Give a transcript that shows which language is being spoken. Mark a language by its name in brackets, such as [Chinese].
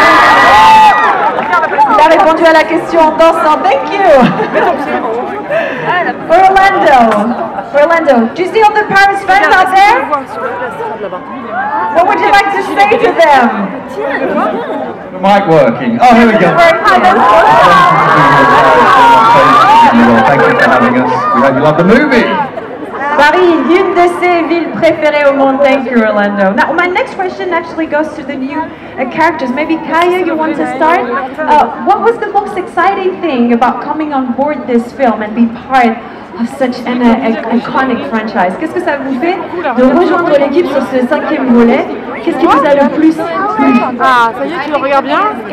[French] Il a répondu à la question en dansant. [English] Thank you. Orlando. Orlando, do you see all the Paris fans out there? What would you like to say to them? The mic working. Oh, here we go. Thank you for having us. We hope you love the movie. [French] Paris, une de ses villes préférées au monde. [English] Thank you, Orlando. Now, my next question actually goes to the new characters. Maybe Kaya, you want to start? What was the most exciting thing about coming on board this film and be part of such an iconic franchise? [French] Qu'est-ce que ça vous fait de rejoindre l'équipe sur ce cinquième volet? Qu'est-ce qui vous a le plus? Ah, ça y est, tu le regardes bien?